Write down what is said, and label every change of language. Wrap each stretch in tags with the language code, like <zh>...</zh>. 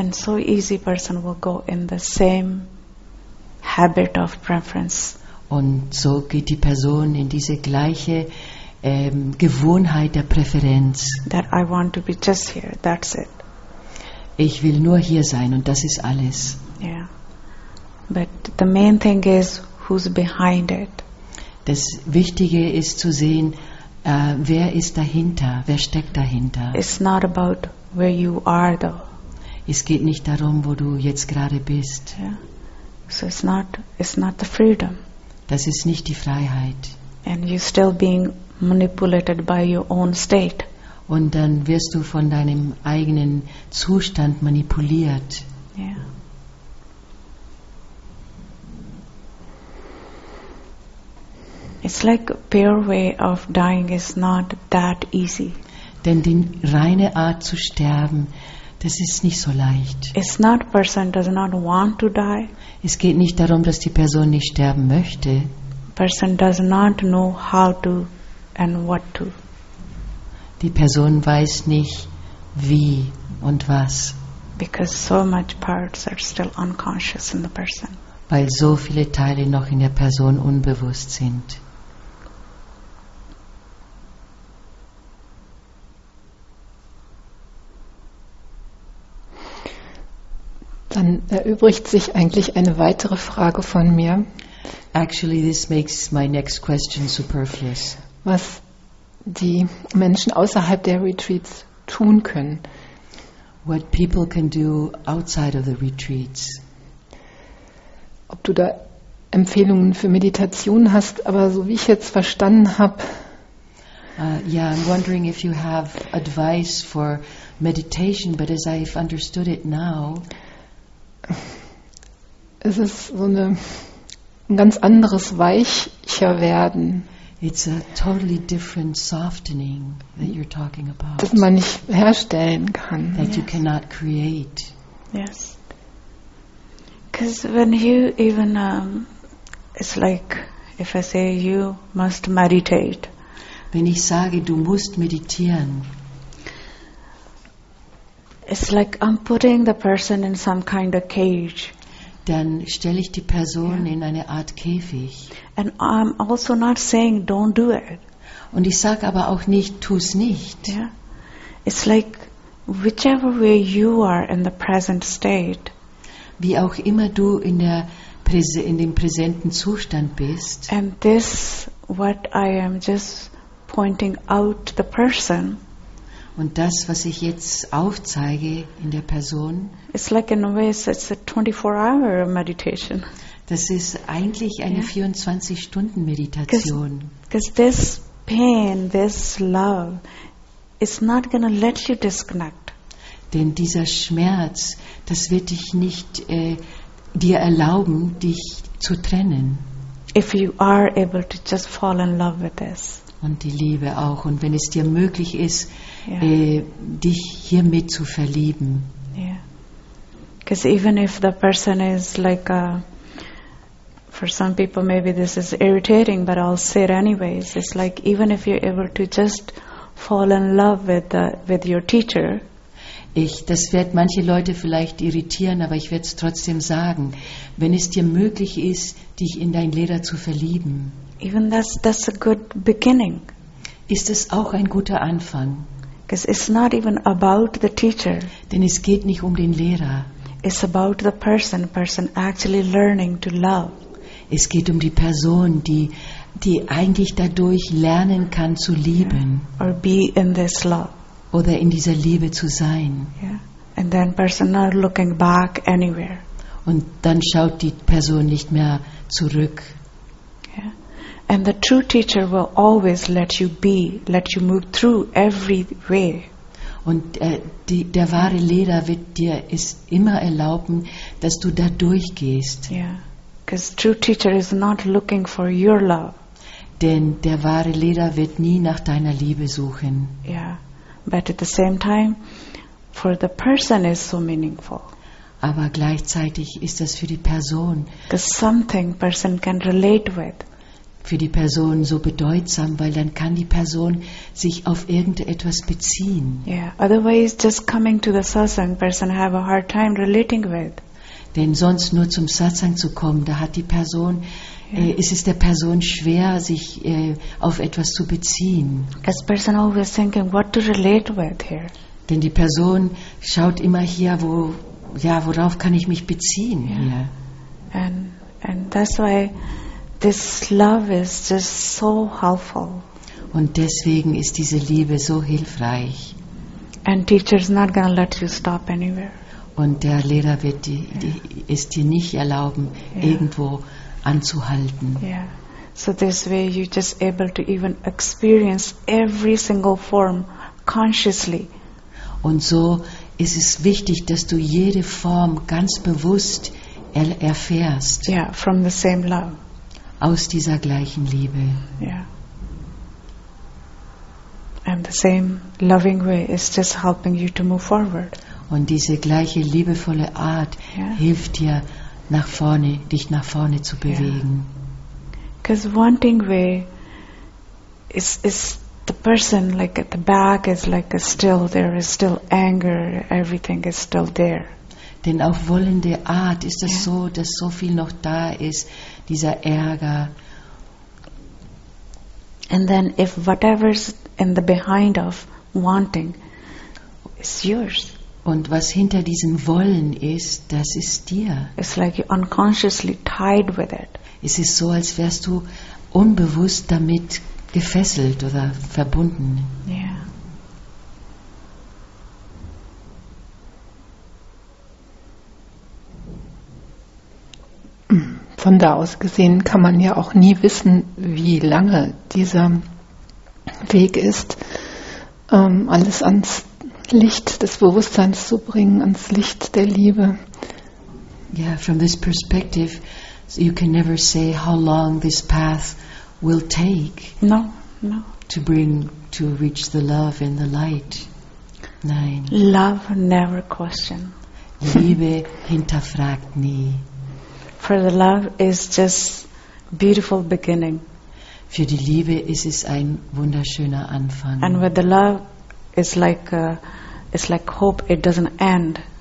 <en>And so easy, person will go in the same habit of preference.</en> <de>Und so geht die Person in diese gleiche Gewohnheit der Präferenz.</de> <en>That I want to be just here. That's it.</en> <de>Ich will nur hier sein, und das ist alles.</de> <en>Yeah. But the main thing is who's behind it.</en> <de>Das Wichtige ist zu sehen, wer ist dahinter, wer steckt dahinter.</de> <en>It's not about where you are, though.</en> <de>Es geht nicht darum, wo du jetzt gerade bist.</de> <en>Yeah. So it's not the freedom.</en> <de>Das ist nicht die Freiheit.</de> <en>And you're still being manipulated by your own state.</en> <de>Und dann wirst du von deinem eigenen Zustand manipuliert.</de> <en>Yeah. It's like a pure way of dying is not that easy.</en> <de>Denn die reine Art zu sterben, das ist nicht so leicht.</de> <en>It's not person does not want to die.</en> <de>Es geht nicht darum, dass die Person nicht sterben möchte.</de> <en>Person does not know how to and what to.</en> <de>Die Person weiß nicht wie und was.</de> <en>Because so much parts are still unconscious in the person.</en> <de>Weil so viele Teile noch in der Person unbewusst sind. Dann erübrigt sich eigentlich eine weitere Frage von mir.</de> <en>Actually, this makes my next question superfluous.</en> <de>Was die Menschen außerhalb der Retreats tun können.</de> <en>What people can do outside of the retreats.</en> <de>Ob du da Empfehlungen für Meditation hast, aber so wie ich jetzt verstanden habe.</de> <en>Yeah, I'm wondering if you have advice for meditation, but as I've understood it now.</en> <de>Es ist so ein ganz anderes weicher werden.</de> <en>It's a totally different softening that you're talking about.</en> <de>Das man nicht herstellen kann.</de> <en>That you cannot create. Yes. Because when you even it's like If I say you must meditate,</en> <de>wenn ich sage, du musst meditieren,</de> <en>it's like I'm putting the person in some kind of cage.</en> <de>Dann stelle ich die Person in eine Art Käfig.</de> <en>And I'm also not saying don't do it.</en> <de>Und ich sage aber auch nicht, tu es nicht.</de> <en>It's like whichever way you are in the present state.</en> <de>Wie auch immer du in dem präsenten Zustand bist.</de> <en>And this, what I am just pointing out the person.</en> <de>Und das, was ich jetzt aufzeige in der Person,</de> <en>it's like in a way it's a 24-hour meditation.</en> <de>Das ist eigentlich eine 24-Stunden-Meditation.</de> <en>Because this pain, this love, is not going to let you disconnect.</en> <de>Denn dieser Schmerz, das wird dich nicht dir erlauben, dich zu trennen.</de> <en>If you are able to just fall in love with this.</en> <de>Und die Liebe auch. Und wenn es dir möglich ist, dich hiermit zu verlieben.</de> <en>Because even if the person is like a, for some people maybe this is irritating, but I'll say it anyways. It's like even if you're able to just fall in love with your teacher.</en> <de>Das wird manche Leute vielleicht irritieren, aber ich werde es trotzdem sagen. Wenn es dir möglich ist, dich in deinen Lehrer zu verlieben.</de> <en>Even that's a good beginning.</en> <de>Ist es auch ein guter Anfang?</de> <en>Because it's not even about the teacher.</en> <de>Denn es geht nicht um den Lehrer.</de> <en>It's about the person actually learning to love.</en> <de>Es geht um die Person, die eigentlich dadurch lernen kann zu lieben.</de> <en>Yeah. Or be in this love.</en> <de>Oder in dieser Liebe zu sein.</de> <en>Yeah. And then person not looking back anywhere.</en> <de>Und dann schaut die Person nicht mehr zurück.</de> <en>And the true teacher will always let you be, let you move through every way.</en> <de>Und der wahre Lehrer wird dir es immer erlauben, dass du da durchgehst.</de> <en>Yeah, because true teacher is not looking for your love.</en> <de>Denn der wahre Lehrer wird nie nach deiner Liebe suchen.</de> <en>Yeah, but at the same time, for the person is so meaningful.</en> <de>Aber gleichzeitig ist das für die Person.</de> <en>Because something person can relate with.</en> <de>Für die Person so bedeutsam, weil dann kann die Person sich auf irgendetwas beziehen.</de> <en>Yeah. Otherwise, just coming to the satsang, person have a hard time relating with.</en> <de>Denn sonst nur zum Satsang zu kommen, da hat die Person, ist es der Person schwer, sich auf etwas zu beziehen.</de> <en>Because person always thinking what to relate with here.</en> <de>Denn die Person schaut immer hier, worauf kann ich mich beziehen hier?</de> <en>And that's why. This love is just so helpful.</en> <de>Und deswegen ist diese Liebe so hilfreich.</de> <en>And teacher is not going to let you stop anywhere.</en> <de>Und der Lehrer wird es dir nicht erlauben, irgendwo anzuhalten.</de> <en>Yeah. So this way you're just able to even experience every single form consciously.</en> <de>Und so ist es wichtig, dass du jede Form ganz bewusst erfährst.</de> <en>Yeah, from the same love.</en> <de>Aus dieser gleichen Liebe.</de> <en>Yeah. And the same loving way is just helping you to move forward.</en> <de>Und diese gleiche liebevolle Art hilft dir nach vorne, dich nach vorne zu bewegen.</de> <en>Because wanting way is the person like at the back is like still there is still anger, everything is still there.</en> <de>Denn auf wollende Art ist es so, dass so viel noch da ist, dieser Ärger.</de> <en>And then if whatever's in the behind of wanting is yours.</en> <de>Und was hinter diesem Wollen ist, das ist dir.</de> <en>It's like you're unconsciously tied with it.</en> <de>Es ist so, als wärst du unbewusst damit gefesselt oder verbunden. Von da aus gesehen kann man ja auch nie wissen, wie lange dieser Weg ist, alles ans Licht des Bewusstseins zu bringen, ans Licht der Liebe.</de> <en>Yeah, from this perspective, you can never say how long this path will take. No. To reach the love and the light.</en> <de>Nein.</de> <en>Love never question.</en> <de>Liebe hinterfragt nie.</de> <en>For the love is just beautiful beginning.</en> <de>Für die Liebe ist es ein wunderschöner Anfang.</de> <en>And with the love is like it's like hope, it doesn't end.</en>